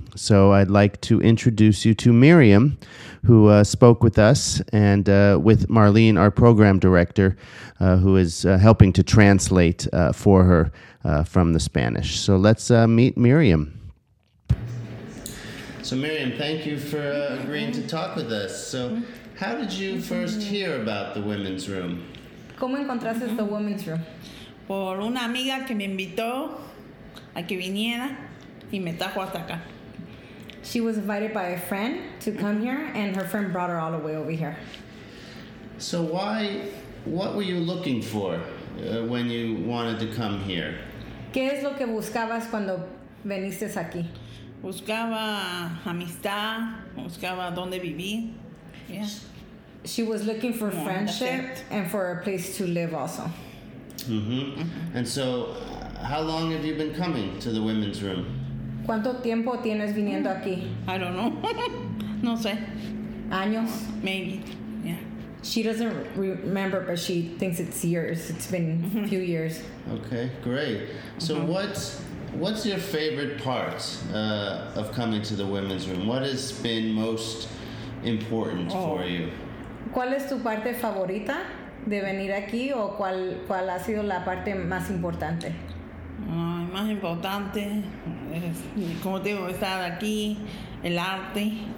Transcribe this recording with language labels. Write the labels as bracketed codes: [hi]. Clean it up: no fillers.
[en] So I'd like to introduce you to Miriam, who spoke with us, and with Marlene, our program director, who is helping to translate for her from the Spanish. So let's meet Miriam. So Miriam, thank you for agreeing to talk with us. So how did you first hear about the women's room? [es] ¿Cómo encontraste the women's room? por una amiga que me invitó a que viniera y me trajo hasta acá. [en] She was invited by a friend to come here, and her friend brought her all the way over here. So why, what were you looking for when you wanted to come here? [es] ¿Qué es lo que buscabas cuando viniste aquí? Buscaba amistad, buscaba dónde vivir. Yeah. [en] She was looking for friendship and for a place to live also. Mm-hmm. And so, how long have you been coming to the women's room? [es] ¿Cuánto tiempo tienes viniendo aquí? [en] I don't know. [es] No sé. ¿Años? [en] Maybe. Yeah. She doesn't remember, but she thinks it's years. It's been a few years. Okay, great. So what's your favorite part of coming to the women's room? What has been most important for you? [es] ¿Cuál es tu parte favorita de venir aquí o cuál ha sido la parte más importante? Más importante es, como digo, estar aquí, el arte.